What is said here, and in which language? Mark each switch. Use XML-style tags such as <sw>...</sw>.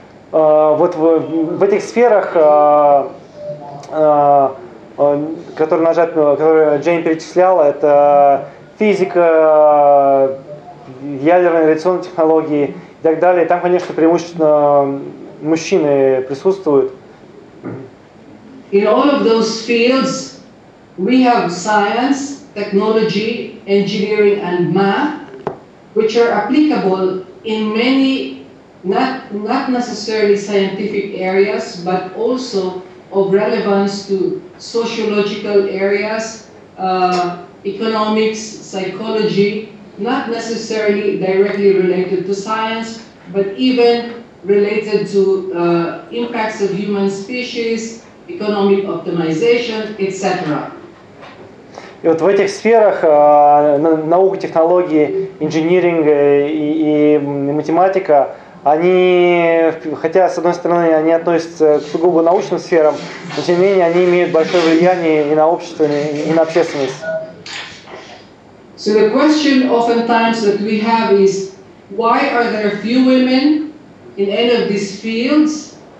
<ru>Вот в этих сферах, которые Джейн перечисляла, это физика, ядерные радиационные технологии и так далее. Там, конечно, преимущественно мужчины присутствуют.</ru> <en>In all of those fields, we have science, technology, engineering and math, which are applicable in many, not necessarily scientific areas, but also of relevance to sociological areas, economics, psychology, not necessarily directly related to science, but even related to impacts of human species, economic optimization, etc.</en> <ru>И вот в этих сферах наука, технологии, инжиниринг и математика, они, хотя, с одной стороны, они относятся к сугубо научным сферам, но тем не менее они имеют большое влияние и на общество, и на общественность.</ru> <en>So the question oftentimes that we have is, why are there few women in any of these fields?</en>